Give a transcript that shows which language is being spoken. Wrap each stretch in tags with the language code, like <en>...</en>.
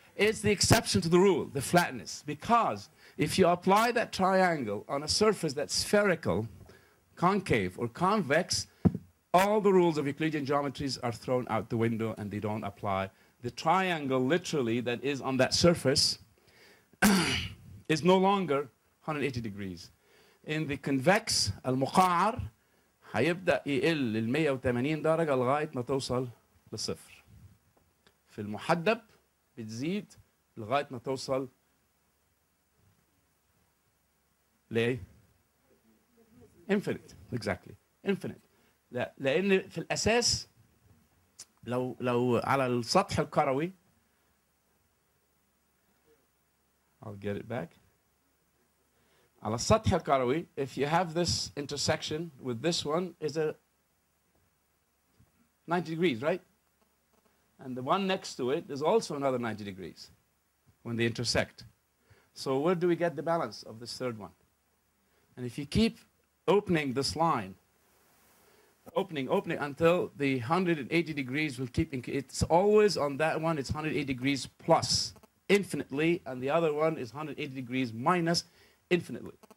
<en>It's the exception to the rule, the flatness. Because if you apply that triangle on a surface that's spherical, concave, or convex, all the rules of Euclidean geometries are thrown out the window and they don't apply. The triangle, literally, that is on that surface is no longer 180 degrees. In the convex,</en> <ar>al-muqa'ar, هيبدأ يقل لل 180 درجة لغاية ما توصل لصفر. في المحدب بتزيد لغاية ما توصل ليه؟</ar> <en>infinite, exactly, infinite.</en> <ar>لأن في الأساس لو على السطح الكروي,</ar> <en>I'll get it back.</en> <ar>على السطح الكروي,</ar> <en>if you have this intersection with this one, is a 90 degrees, right? And the one next to it is also another 90 degrees when they intersect. So where do we get the balance of this third one? And if you keep opening this line, opening until the 180 degrees will keep, it's always on that one, it's 180 degrees plus infinitely, and the other one is 180 degrees minus infinitely.</en>